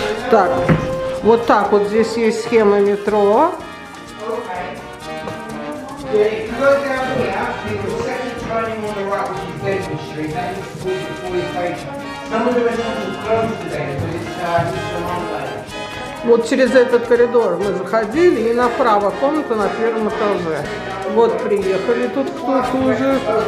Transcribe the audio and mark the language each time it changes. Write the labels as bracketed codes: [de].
[ru] Так, вот так вот здесь есть схема метро. [en] Okay. on the right, which is Denver Street, that is 44 station. Some of the restaurants are closed today, but it's the Monday. [ru] Вот через этот коридор мы заходили, и направо комната на первом этаже. Вот приехали тут кто-то уже.